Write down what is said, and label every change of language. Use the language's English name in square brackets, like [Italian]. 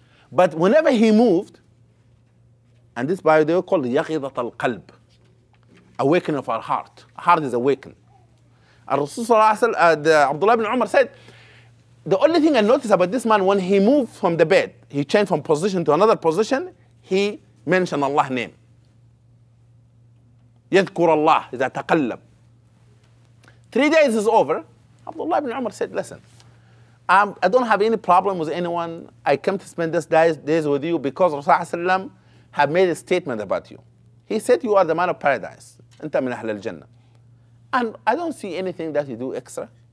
[English] But whenever he moved, and this by the way called yaghidat al-qalb, awakening of our heart. Our heart is awakened. Abdullah ibn Umar said, the only thing I noticed about this man, when he moved from the bed, he changed from position to another position, he mentioned Allah's name. [Arabic] يَذْكُرَ اللَّهِ إِذَا تَقَلَّبْ [English] 3 days is over. Abdullah ibn Umar said, listen, I don't have any problem with anyone. I come to spend these days with you because Rasulullah ﷺ have made a statement about you. He said, you are the man of paradise. [Arabic] أَنْتَ مِنْ أَحْلَى الْجَنَّةِ [English] And I don't see anything that you do extra.